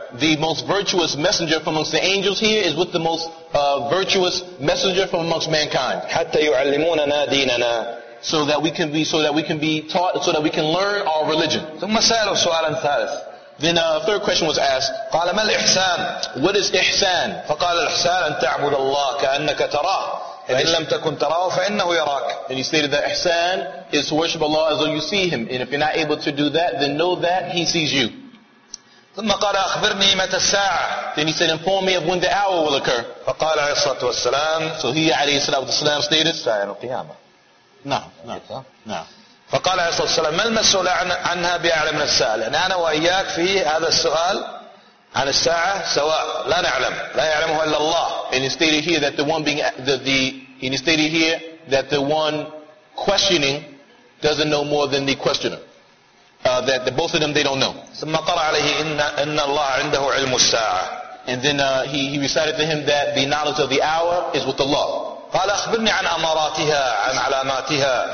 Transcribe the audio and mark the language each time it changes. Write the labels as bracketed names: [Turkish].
[English] The most virtuous messenger from amongst the angels here is with the most virtuous messenger from amongst mankind. [Arabic] حتى يعلموننا ديننا. [English] So that we can learn our religion. [Arabic] ثم سألوا سؤالا ثالث. [English] Then a third question was asked. [Arabic] قال ما الإحسان. [English] What is إحسان. [Arabic] فقال الإحسان أن تعبد الله كأنك تراه. فإن لم تكن تراه فإنه يراك. [English] And he stated that إحسان is to worship Allah as though you see Him. And if you're not able to do that, then know that He sees you. [Arabic] ثم قال أخبرني متى الساعة. [English] Then he said, inform me of when the hour will occur. [Arabic] فقال عليه الصلاة والسلام. [English] So he [Arabic] عليه الصلاة والسلام [English] stated. [Arabic] ساعة القيامة. [English] No. [Arabic] فقال عليه الصلاة والسلام ما المسؤول عنها بأعلم من السائل؟ يعني أنا وإياك في هذا السؤال عن الساعة سواء لا نعلم لا يعلمه إلا الله. [English] And he stated here that the one being the he stated here that the one questioning doesn't know more than the questioner. That the both of them they don't know. [Arabic] ثم قرأ عليه إن الله عنده علم الساعة. [English] And then he recited to him that the knowledge of the hour is with Allah. [Arabic] قال أخبرني عن أماراتها عن علاماتها.